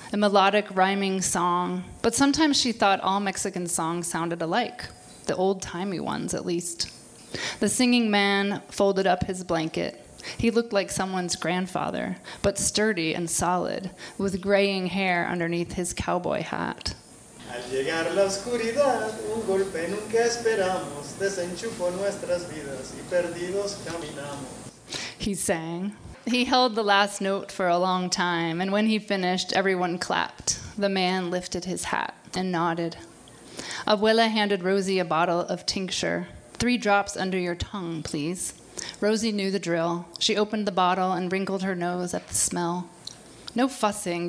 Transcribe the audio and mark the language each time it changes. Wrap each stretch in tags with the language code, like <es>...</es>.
<en>A melodic rhyming song, but sometimes she thought all Mexican songs sounded alike, the old-timey ones at least. The singing man folded up his blanket. He looked like someone's grandfather, but sturdy and solid, with graying hair underneath his cowboy hat.</en> <es>Al llegar la oscuridad, un golpe nunca esperamos, desenchufó nuestras vidas y perdidos caminamos.</es> <en>He sang. He held the last note for a long time, and when he finished, everyone clapped. The man lifted his hat and nodded. Abuela handed Rosie a bottle of tincture. 3 drops under your tongue, please. Rosie knew the drill. She opened the bottle and wrinkled her nose at the smell. No fussing.</en>